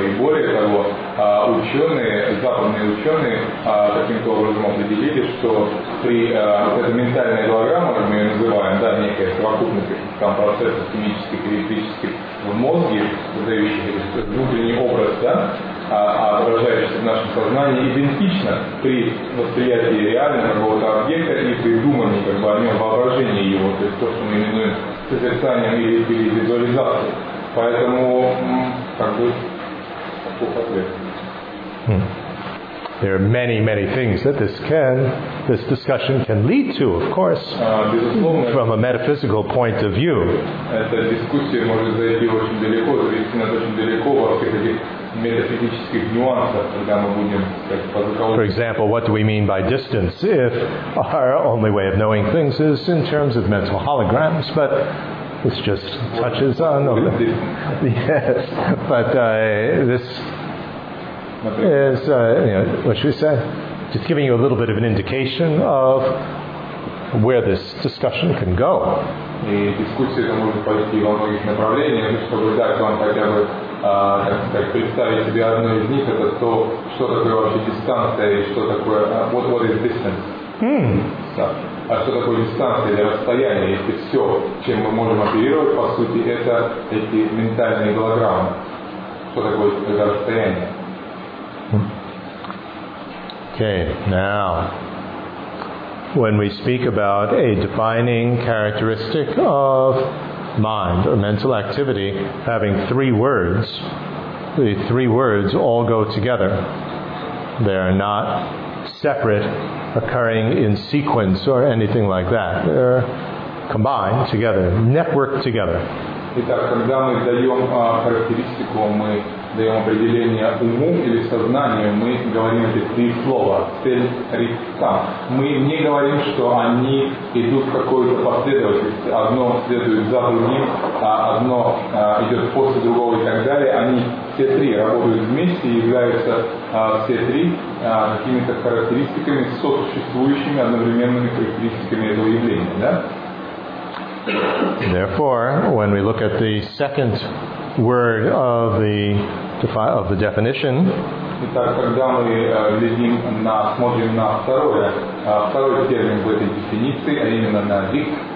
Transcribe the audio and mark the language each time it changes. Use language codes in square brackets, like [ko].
[ru] И более того, западные ученые каким-то образом определили, что при вот этой ментальной голограмме, как мы ее называем, да, некая совокупность там процессов химических и электрических в мозге, зависящих от внутренний образ, да, отражающийся в нашем сознании, идентично при восприятии реального какого-то объекта и придумании как бы о нем воображения его, то есть то, что мы именуем созерцанием или визуализацией. Поэтому как бы такой ответ. [en] There are many, many things that this discussion can lead to, of course, from a metaphysical point of view. [ru] Эта дискуссия может зайти очень далеко, зависит на очень далеко во всех этих метафизических нюансах, когда мы будем подзаковывать. [en] For example, what do we mean by distance if our only way of knowing things is in terms of mental holograms? But this just touches on a little. Yes, but this is, what should we say? Just giving you a little bit of an indication of where this discussion can go. [ru] И дискуссия это может пойти во многих направлениях, чтобы дать вам хотя бы, как представить себе одно из них, это то, что такое вообще дистанция, и что такое, [en] what is distance? [ru] А что такое дистанция или расстояние, если все, чем мы можем оперировать, по сути, это эти ментальные голограммы. Что такое это расстояние? [en] Okay, now, when we speak about a defining characteristic of mind or mental activity having three words, the three words all go together. They are not separate, occurring in sequence or anything like that. They're combined together, networked together. [ru] Итак, когда мы даем характеристику, мы даем определение уму или сознанию, мы говорим эти три слова, цель, рикса. Мы не говорим, что они идут в какую-то последовательность, одно следует за другим, а одно идет после другого и так далее. Они все три работают вместе и являются все три какими-то характеристиками, сосуществующими одновременными характеристиками этого явления. Да? [en] Therefore, when we look at the second word of the definition, [ru] итак, когда мы глядим на, смотрим на второй термин в этой дефиниции, а именно на рик,